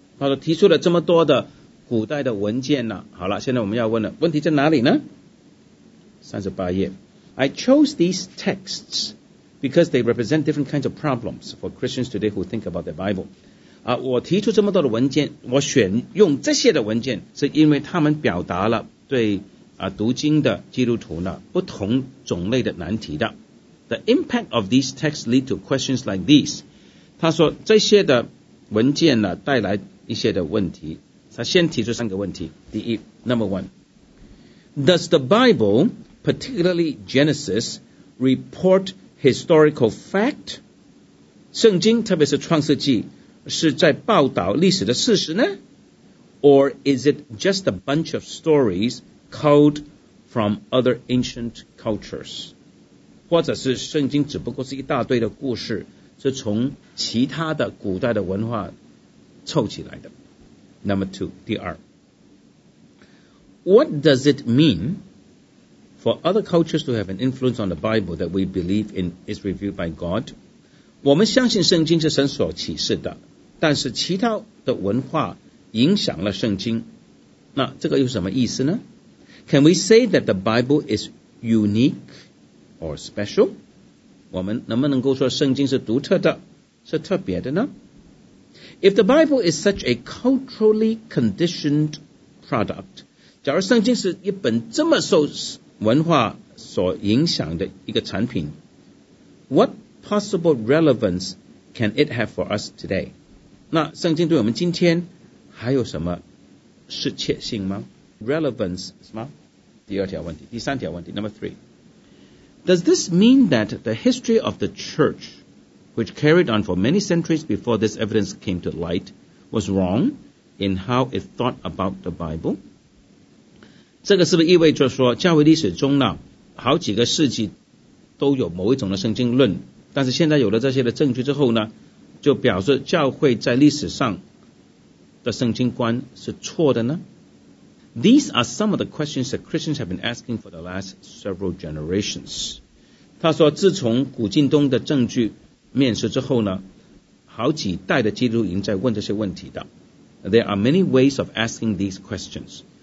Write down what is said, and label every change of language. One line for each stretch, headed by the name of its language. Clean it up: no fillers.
Chinese: 他说提出了这么多的古代的文件呢，好了，现在我们要问了，问题在哪里呢？三十八页
English: I chose these texts because they represent different kinds of problems for Christians today who think about the Bible.
Chinese: 啊，我提出这么多的文件，我选用这些的文件，是因为他们表达了对啊，读经的基督徒呢，不同种类的难题的。
English: The impact of these texts lead to questions like these.
Chinese: 他说这些的文件呢，带来一些的问题。他先提出三个问题。第一
English: ，Number one, does the Bible, particularly Genesis, report historical fact?
Chinese: 圣经，特别是创世纪，是在报道历史的事实呢 ？
English: Or is it just a bunch of stories? Culled from other ancient cultures,
Chinese: 或者是圣经只不过是一大堆的故事，是从其他的古代的文化凑起来的。
English: Number two,
Chinese: 第二
English: What does it mean for other cultures to have an influence on the Bible that we believe in is revealed by God?
Chinese: 我们相信圣经是神所启示的，但是其他的文化影响了圣经，那这个有什么意思呢？
English: Can we say that the Bible is unique or special?
Chinese: 我们能不能够说圣经是独特的，是特别的呢？
English: If the Bible is such a culturally conditioned product,
Chinese: 假如圣经是一本这么受文化所影响的一个产品，
English: what possible relevance can it have for us today?
Chinese: 那圣经对我们今天还有什么适切性吗？ Relevance 什么？第二条问题，第三条问题 ，
English: Number three. Does this mean that the history of the church, which carried on for many centuries before this evidence came to light, was wrong in how it thought about the Bible?
Chinese: 这个是不是意味着说，教会历史中呢，好几个世纪都有某一种的圣经论，但是现在有了这些的证据之后呢，就表示教会在历史上的圣经观是错的呢？
English: These are some of the questions that Christians have been asking for the last several generations.
Chinese: 他说自从古近东的证据面世之后呢，好几代的基督徒已经在问这些问题的。
English: There are many ways of asking these questions.